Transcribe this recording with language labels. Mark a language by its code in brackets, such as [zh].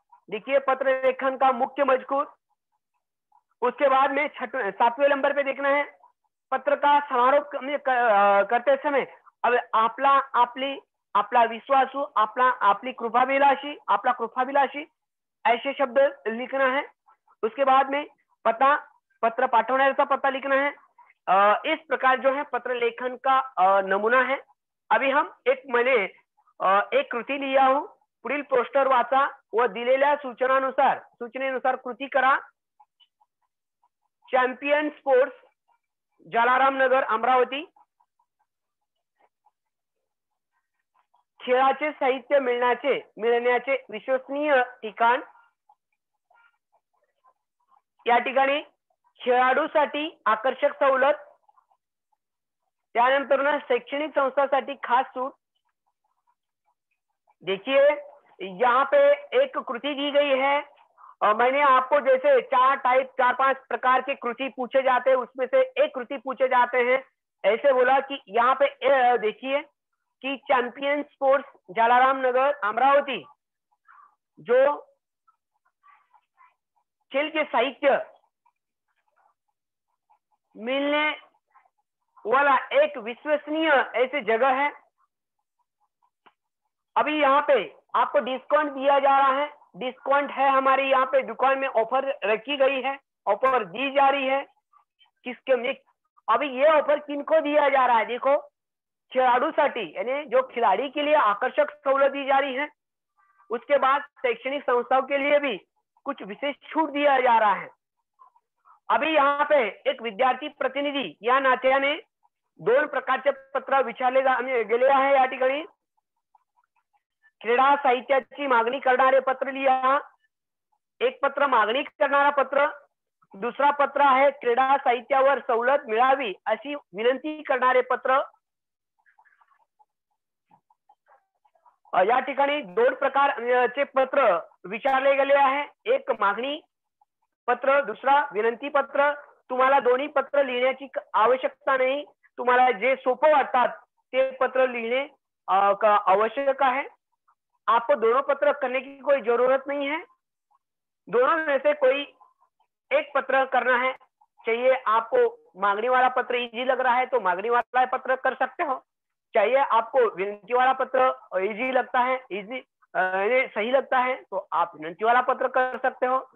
[hi] देखिए पत्र लेखन का मुख्य मजकूर। उसके बाद में सातवें नंबर पे देखना है पत्र का समारोह करते समय अब [mr] आपला आपली, आपला विश्वासु, आपला आपली कृपा विलासी, [hi] आपला कृपा विलासी ऐसे शब्द लिखना है। उसके बाद में पता, पत्र पाठवने का पता लिखना है। इस प्रकार जो है पत्र लेखन का नमूना है। अभी हम एक, मैंने एक कृति लिया हूँ, [mr] पुढील पोस्टर वाचा व दिलेल्या सूचनानुसार, सूचनेनुसार कृति करा। चैम्पियन स्पोर्ट्स, जलाराम नगर, अमरावती। खेळाचे साहित्य मिळण्याचे मिळण्याचे विश्वसनीय ठिकाण, या ठिकाणी खेळाडूसाठी आकर्षक सवलत, त्यानंतर शैक्षणिक संस्थांसाठी खास सूट। [hi] देखिए यहाँ पे एक कृति दी गई है। मैंने आपको जैसे चार टाइप, चार पांच प्रकार के कृति पूछे जाते हैं उसमें से एक कृति पूछे जाते हैं, ऐसे बोला कि यहाँ पे देखिए कि चैंपियन स्पोर्ट्स जलाराम नगर अमरावती जो खेल के साहित्य मिलने वाला एक विश्वसनीय ऐसे जगह है। अभी यहाँ पे आपको डिस्काउंट दिया जा रहा है, डिस्काउंट है हमारी यहाँ पे दुकान में, ऑफर रखी गई है, ऑफर दी जा रही है। किसके में अभी ये ऑफर किनको दिया जा रहा है, देखो खिलाड़ू साठी यानी जो खिलाड़ी के लिए आकर्षक सहूलत दी जा रही है। उसके बाद शैक्षणिक संस्थाओं के लिए भी कुछ विशेष छूट दिया जा रहा है। अभी यहाँ पे एक विद्यार्थी प्रतिनिधि [mr] या नात्याने दोन प्रकारचे पत्र विचारले गेले आहे। या ठिकाणी क्रीडा साहित्याची मागणी करणारे पत्र लिया, एक पत्र मागणी करणारा पत्र, दुसरा पत्र आहे क्रीडा साहित्यावर सवलत मिळावी अशी विनंती करणारे पत्र। या ठिकाणी दोन प्रकारचे पत्र विचारले गेले आहे, एक मागणी पत्र, दुसरा विनंती पत्र। तुम्हाला दोन्ही पत्र लिहिण्याची आवश्यकता नाही, तुम्हाला जे सोपं वाटतात ते पत्र लिहिणे आवश्यक आहे। [hi] आपको दोनों पत्र करने की कोई जरूरत नहीं है, दोनों में से कोई एक पत्र करना है चाहिए। आपको मांगनी वाला पत्र इजी लग रहा है तो मांगनी वाला पत्र कर सकते हो, चाहिए आपको विनती वाला पत्र इजी लगता है, इजी सही लगता है तो आप विनती वाला पत्र कर सकते हो।